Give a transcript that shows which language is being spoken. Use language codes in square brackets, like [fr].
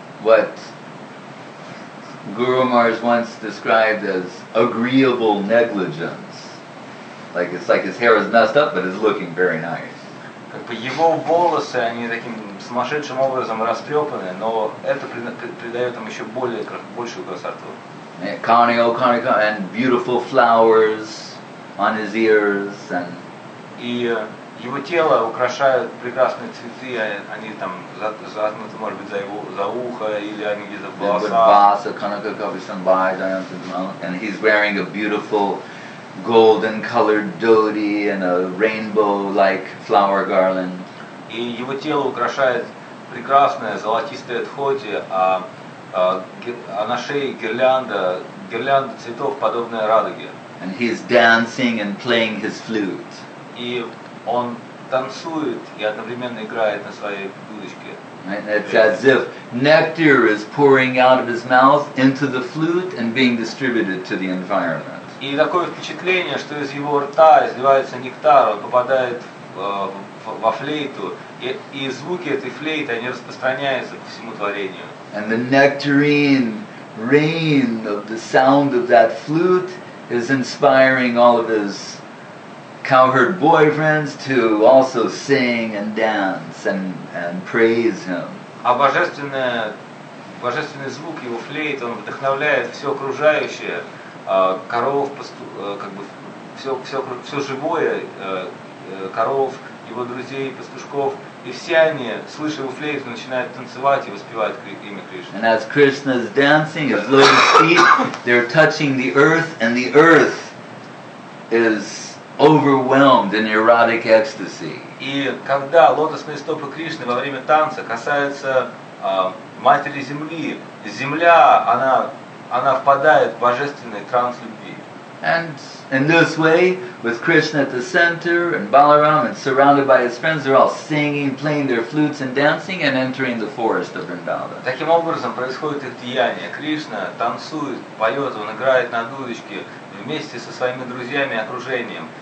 [en] What Guru Maharaj once described as agreeable negligence. Like it's like his hair is messed up, but it's looking very nice. [ru] Как бы его волосы, они таким сумасшедшим образом растрепаны, но это придает им еще большую красоту. [en] Karne o karne karam, and beautiful flowers on his ears, and [ru] и его тело украшают прекрасные цветы, они там заткнуты, может быть, за ухо, или они где-то в волосах. [en] And he's wearing a beautiful golden-colored dhoti and a rainbow-like flower garland. [ru] И его тело украшает прекрасное золотистое дхоти, а на шее гирлянда цветов, подобная радуге. [en] And he's dancing and playing his flute. [ru] И он танцует и одновременно играет на своей дудочке. [en] It's as if nectar is pouring out of his mouth into the flute and being distributed to the environment. [ru] И такое впечатление, что из его рта изливается нектар, он попадает во флейту, и звуки этой флейты, они распространяются по всему творению. [en] And the nectarine rain of the sound of that flute is inspiring all of his cowherd boyfriends to also sing and dance and praise him. [ru] А божественный звук его флейты, он вдохновляет все окружающее, коров, как бы все живое, коров, его друзей, пастушков, и все они, слыша его флейту, начинают танцевать и воспевать имя Кришны. [en] And as Krishna is dancing, his lotus feet, they're touching the earth, and the earth is overwhelmed in erotic ecstasy. [ru] И когда лотосные стопы Кришны во время танца касаются матери земли, земля, она впадает в божественный транс любви. [en] And in this way, with Krishna at the center and Balaram and surrounded by his friends, they're all singing, playing their flutes and dancing and entering the forest of Vrindavan. [ru] Таким образом происходит их деяние. Кришна танцует, поет, он играет на дудочке вместе со своими друзьями и окружением.